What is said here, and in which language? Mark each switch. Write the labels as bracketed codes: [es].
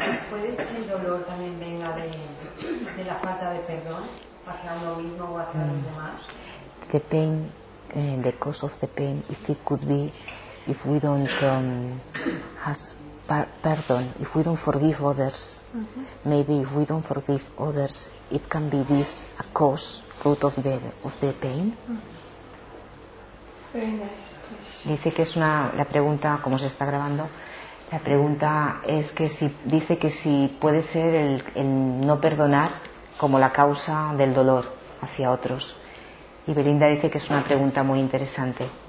[es] ¿Puede que el dolor también venga de la falta de perdón hacia uno mismo o hacia los demás? [en] The pain, the cause of the pain, if it could be, if we don't have pardon, if we don't forgive others, mm-hmm. maybe if we don't forgive others, it can be this a cause, root of the pain. Mm-hmm. Very nice question. [es] Dice que es la pregunta, como se está grabando. La pregunta es que si dice que si puede ser el no perdonar como la causa del dolor hacia otros. Y Belinda dice que es una pregunta muy interesante.